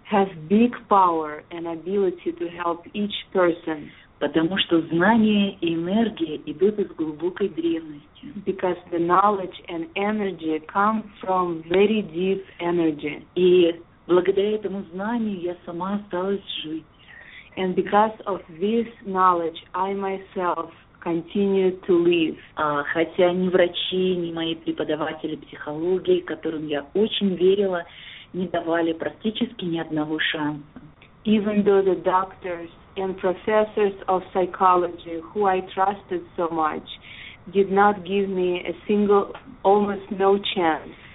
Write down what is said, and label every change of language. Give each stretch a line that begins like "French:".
English: Have big power and ability to help each person.
Russian: Потому что знания и энергия идут из глубокой древности.
English: Because the knowledge and energy come from very deep energy.
Russian: И благодаря этому знанию я сама осталась жить.
English: And because of this knowledge, I myself continue to live.
Russian: Хотя ни врачи, ни мои преподаватели психологии, которым я очень верила, не давали практически ни одного шанса.
English: Even though the doctors and professors of psychology, who I trusted so much, did not give me a single, almost no chance.